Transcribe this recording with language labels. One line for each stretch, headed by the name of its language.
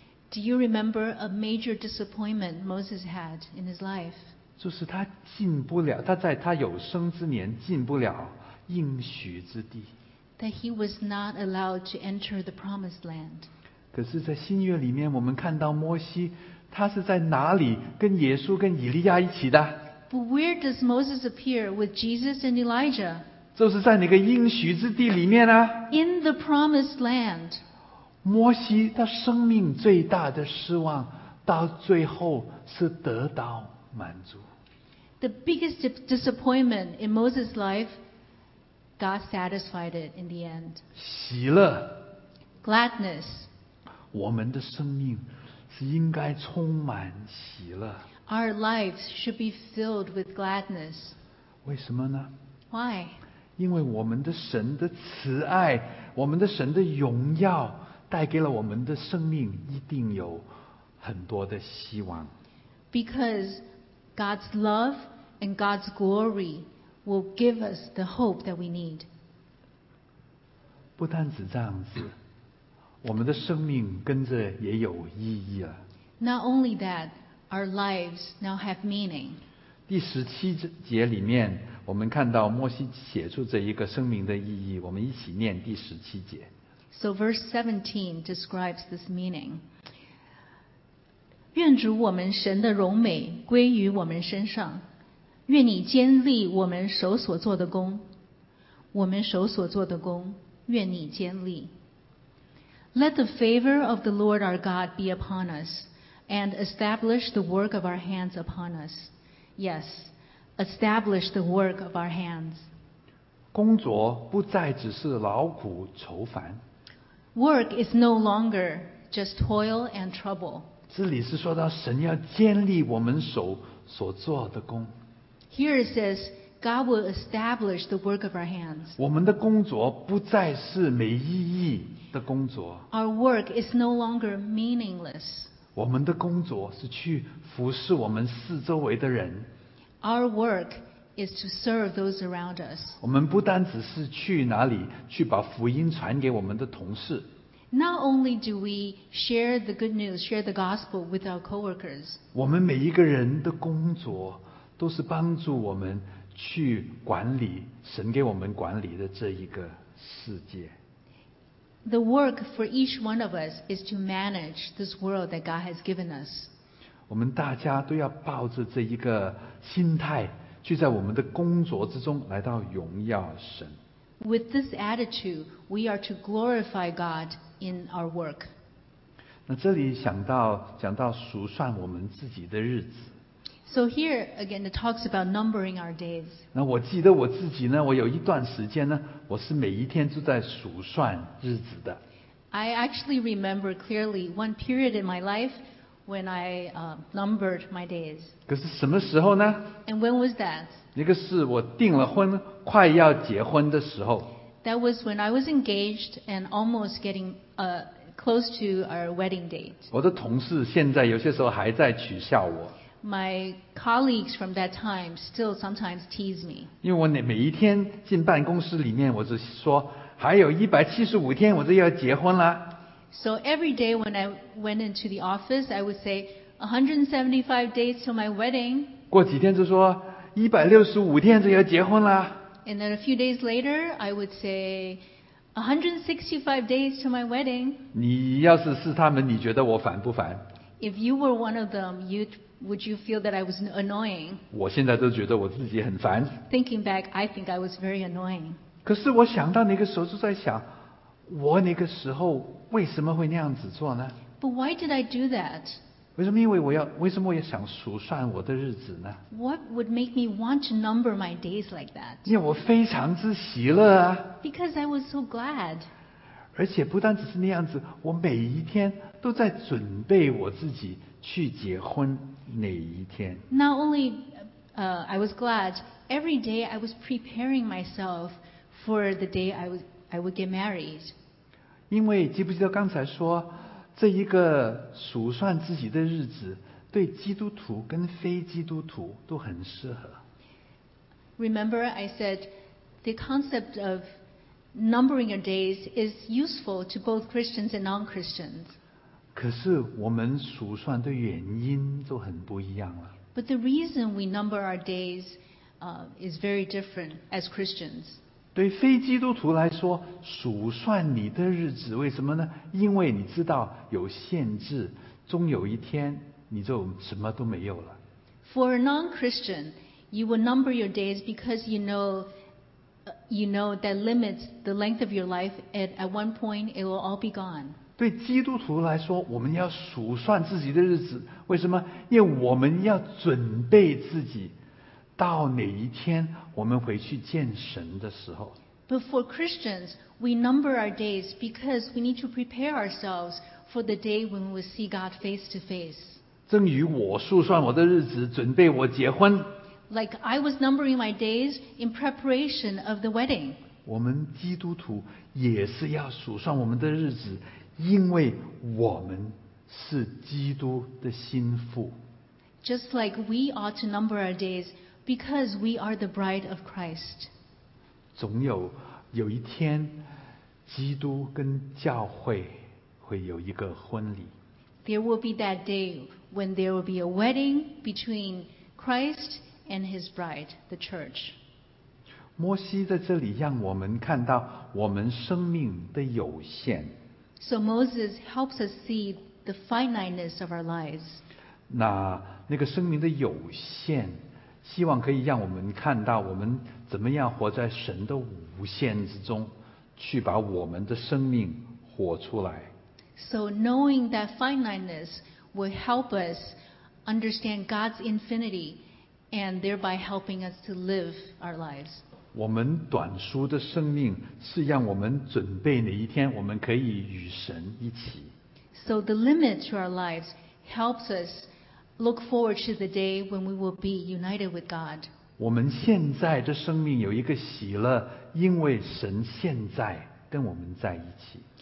English: Do you remember a major disappointment Moses had in his life?
Chinese: 就是他进不了，他在他有生之年进不了应许之地。
English: That he was not allowed to enter the promised land.
Chinese: 可是在新约里面我们看到摩西他是在哪里跟耶稣跟以利亚一起的？
English: But where does Moses appear with Jesus and Elijah?
Chinese: 就是在那个应许之地里面啊。
English: In the promised land.
Chinese: 摩西他生命最大的失望到最后是得到满足。
English: The biggest disappointment in Moses' life, God satisfied it in the end.
Chinese: 喜乐。
English: Gladness.
Chinese: 我们的生命是应该充满喜乐。
English: Our lives should be filled with gladness.
Chinese: 为什么呢？
English: Why?
Chinese: 因为我们的神的慈爱，我们的神的荣耀，带给了我们的生命一定有很多的希望。
English: Because God's love and God's glory will give us the hope that we need.
Chinese: 不单只这样子，我们的生命跟着也有意义了。
English: Not only that, our lives now have meaning.
Chinese: 第十七节里面，我们看到摩西写出这一个生命的意义，我们一起念第十七节。
English: So verse 17 describes this meaning.
Chinese: 愿主我们神的荣美归于我们身上，愿你坚立我们手所做的工，我们手所做的工，愿你坚立。
English: Let the favor of the Lord our God be upon us, and establish the work of our hands upon us. Yes, establish the work of our hands.
Chinese: 工作不再只是劳苦愁烦。
English: Work is no longer just toil and trouble.
Chinese: 这里是说到神要建立我们手所做的工。
English: Here it says, God will establish the work of our hands.
Chinese: 我们的工作不再是没意义。
English: Our work is no longer meaningless.
Chinese: 我们的工作是去服侍我们四周围的人。
English: Our work is to serve those around us.
Chinese: 我们不单只是去哪里去把福音传给我们的同事。
English: Not only do we share the good news, share the gospel with our coworkers.
Chinese: 我们每一个人的工作都是帮助我们去管理神给我们管理的这一个世界。
English: The work for each one of us is to manage this world that God has given us.
Chinese: 我们大家都要抱着这一个心态，去在我们的工作之中来到荣耀神。
English: With this attitude, we are to glorify God in our work.
Chinese: 那这里讲到数算我们自己的日子。
English: So here again, it talks about numbering our days.
Chinese: 那我记得我自己呢，我有一段时间呢，我是每一天都在数算日子的。
English: I actually remember clearly one period in my life when I numbered my days.
Chinese: 可是什么时候呢
English: ？And when was that?
Chinese: 那个是我订了婚，快要结婚的时候。
English: That was when I was engaged and almost getting close to our wedding date.
Chinese: 我的同事现在有些时候还在取笑我。
English: My colleagues from that time still sometimes tease me.
Chinese: 因为我每一天进办公室里面，我就说还有175天我就要结婚了。
English: So every day when I went into the office, I would say 175 days till my wedding.
Chinese: 过几天就说165天就要结婚了。
English: And then a few days later, I would say 165 days till my wedding.
Chinese: 你要是他们，你觉得我烦不烦
English: ？If you were one of them, would you feel that I was annoying?
Chinese: 我现在都觉得我自己很烦。
English: Thinking back, I think I was very annoying.
Chinese: 可是我想到那个时候就在想，我那个时候为什么会那样子做呢
English: ？But why did I do that?
Chinese: 为什么我要想数算我的日子呢
English: ？What would make me want to number my days like that?
Chinese: 因为我非常之喜乐啊。
English: Because I was so glad.
Chinese: 而且不单只是那样子，我每一天都在准备我自己去结婚。哪一天
English: Not only I was glad, every day I was preparing myself for the day I would get married.
Chinese: 因为记不记得刚才说，这一个数算自己的日子，对基督徒跟非基督徒都很适合。
English: Remember, I said the concept of numbering your days is useful to both Christians and non-Christians.
Chinese: 可是我们数算的原因就很不一样了。
English: But the reason we number our days, is very different as Christians.
Chinese: 对非基督徒来说，数算你的日子，为什么呢？因为你知道有限制，终有一天你就什么都没有了。
English: For a non-Christian, you will number your days because you know that limits the length of your life. At one point, it will all be gone.
Chinese: 对基督徒来说，我们要数算自己的日子，为什么？因为我们要准备自己，到哪一天我们回去见神的时候。
English: But for Christians, we number our days because we need to prepare ourselves for the day when we see God face to face.
Chinese: 正如我数算我的日子，准备我结婚。
English: Like I was numbering my days in preparation of the wedding.
Chinese: 我们基督徒也是要数算我们的日子。因为我们是基督的心腹。
English: Just like we ought to number our days because we are the bride of Christ.
Chinese: 总有一天，基督跟教会会有一个婚礼。
English: There will be that day when there will be a wedding between Christ and his bride, the church.
Chinese: 摩西在这里让我们看到我们生命的有限。
English: So Moses helps us see the finiteness of our lives.
Chinese: 那个生命的有限，希望可以让我们看到我们怎么样活在神的无限之中，去把我们的生命活出来。
English: So knowing that finiteness will help us understand God's infinity and thereby helping us to live our lives.
Chinese: 我们短书的生命是让我们准备哪一天我们可以与神一起。
English: So the limit to our lives helps us look forward to the day when we will be united with God.
Chinese: 我们现在的生命有一个喜乐，因为神现在跟我们在一起。